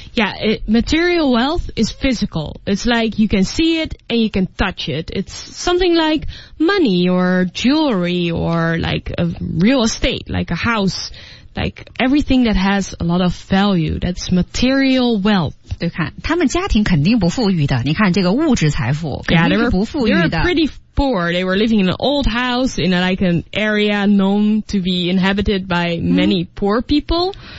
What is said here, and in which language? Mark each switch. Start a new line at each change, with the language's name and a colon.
English: Yeah, material wealth is physical. It's like you can see it and you can touch it. It's something like money or jewelry or like a real estate, like a house. Like everything that has a lot of value, that's material wealth.
Chinese: 对，看他们家庭肯定不富裕的。你看这个物质财富肯定是不富裕的。
English: Yeah, they were pretty poor. They were living in an old house in like an area known to be inhabited by many poor people.